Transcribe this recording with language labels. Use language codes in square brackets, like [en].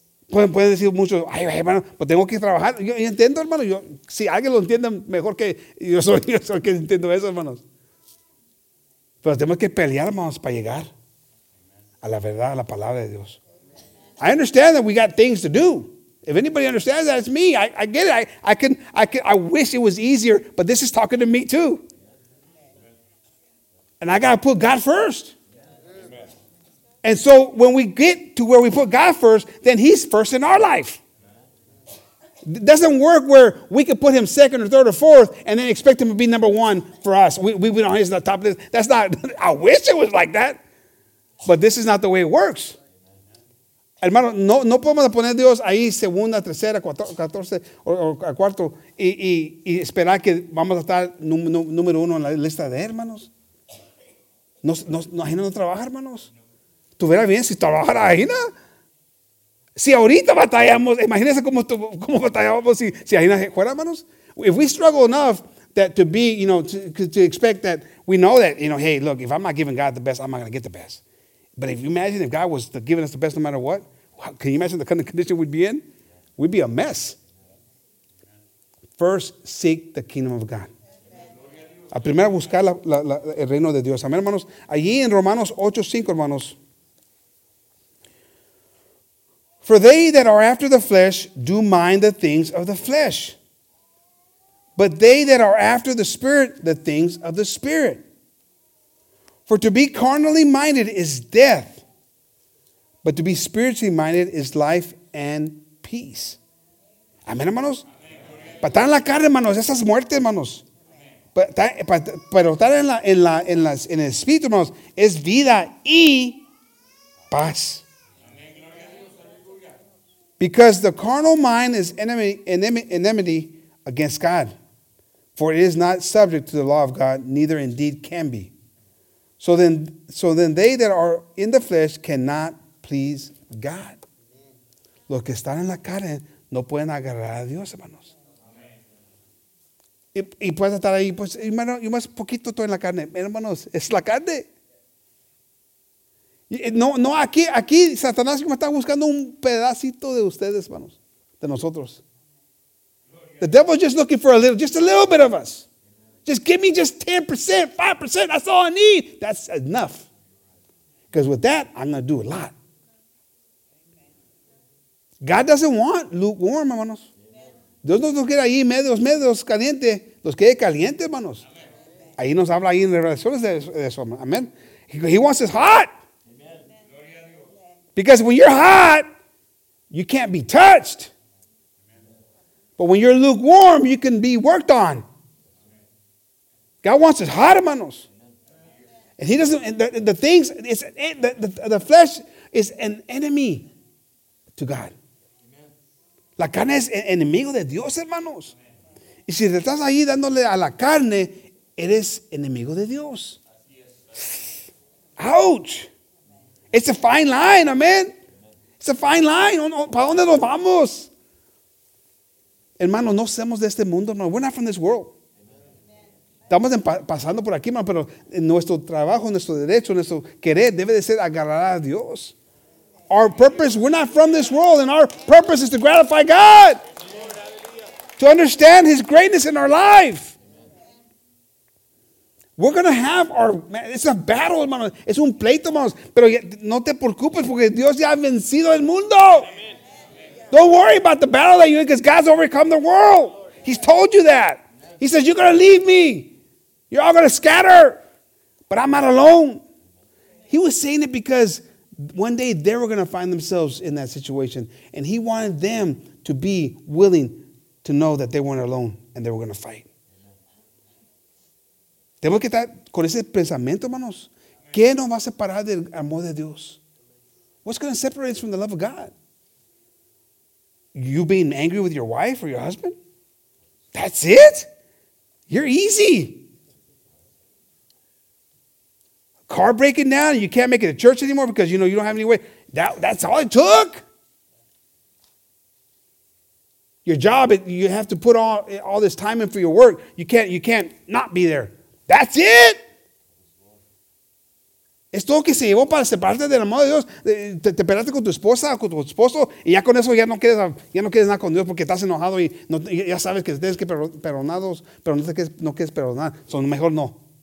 [es] Pueden decir mucho, ay, hermano, pues tengo que trabajar. Yo entiendo, hermano. Yo, si alguien lo entiende mejor que yo soy que entiendo eso, hermanos. Pero tenemos que pelear, hermanos, para llegar a la verdad, a la palabra de Dios. [en] I understand that we got things to do. If anybody understands that, it's me. I get it. I can. I wish it was easier, but this is talking to me too. And I got to put God first. And so when we get to where we put God first, then he's first in our life. It doesn't work where we can put him second or third or fourth and then expect him to be number one for us. We don't, he's on the top of this. That's not, I wish it was like that. But this is not the way it works. [es] Hermano, no podemos poner a Dios ahí segunda, tercera, catorce o cuarto y esperar que vamos a estar número uno en la lista de hermanos. No trabaja, hermanos. Tuviera bien si trabajara ahí, ¿no? Si ahorita batallamos, imagínense cómo batallábamos si ahí fuera, hermanos. [en] If we struggle enough that to be, you know, to expect that, we know that, you know, hey, look, if I'm not giving God the best, I'm not going to get the best. But if you imagine if God was giving us the best no matter what, can you imagine the kind of condition we'd be in? We'd be a mess. First, seek the kingdom of God. [es] A primero buscar el reino de Dios. Amén, hermanos. Allí en Romanos 8:5, hermanos. [en] For they that are after the flesh do mind the things of the flesh, but they that are after the Spirit, the things of the Spirit. For to be carnally minded is death, but to be spiritually minded is life and peace. [es] Amén, hermanos. Para estar en la carne, hermanos, esa es muerte, hermanos. Pero estar en el espíritu, hermanos, es vida y paz. [en] Because the carnal mind is enmity against God. For it is not subject to the law of God, neither indeed can be. So then they that are in the flesh cannot please God. [es] Los que están en la carne no pueden agarrar a Dios, hermanos. Y puedes estar ahí, pues, hermano, yo más poquito estoy en la carne. Hermanos, es la carne. No, aquí Satanás me está buscando un pedacito de ustedes, hermanos, de nosotros. [en] The devil is just looking for a little bit of us. Just give me just 10%, 5%, that's all I need. That's enough. Because with that, I'm going to do a lot. God doesn't want lukewarm, hermanos. [es] Dios no quiere ahí medios caliente, los quiere caliente, hermanos. Ahí nos habla ahí en revelaciones de eso, amén. [en] He wants us hot. Because when you're hot, you can't be touched. But when you're lukewarm, you can be worked on. God wants us hot, hermanos. And he doesn't, and the flesh is an enemy to God. [es] La carne es enemigo de Dios, hermanos. Y si te estás ahí dándole a la carne, eres enemigo de Dios. [en] Ouch. It's a fine line, amen. It's a fine line. [es] ¿Para dónde nos vamos? Hermano, no somos de este mundo. [en] No, we're not from this world. [es] Estamos pasando por aquí, hermano, pero nuestro trabajo, nuestro derecho, nuestro querer debe de ser agarrar a Dios. [en] Our purpose, we're not from this world, and our purpose is to gratify God. To understand His greatness in our life. We're going to have our, it's a battle, hermano. [es] Es un pleito, hermanos. Pero no te preocupes porque Dios ya ha vencido el mundo. [en] Don't worry about the battle that you're in because God's overcome the world. He's told you that. He says, you're going to leave me. You're all going to scatter. But I'm not alone. He was saying it because one day they were going to find themselves in that situation. And he wanted them to be willing to know that they weren't alone and they were going to fight. [es] Tenemos que estar con ese pensamiento, hermanos. ¿Qué nos va a separar del amor de Dios? [en] What's going to separate us from the love of God? You being angry with your wife or your husband? That's it? You're easy. Car breaking down, you can't make it to church anymore because you know you don't have any way. That's all it took. Your job, you have to put all this time in for your work. You can't not be there. That's it. [es] Es todo que se llevó para separarte del amor de Dios. Te peleaste con tu esposa o con tu esposo y ya con eso ya no quieres nada con Dios porque estás enojado y no, ya sabes que tienes que perdonados, pero no quieres perdonar. Son mejor no.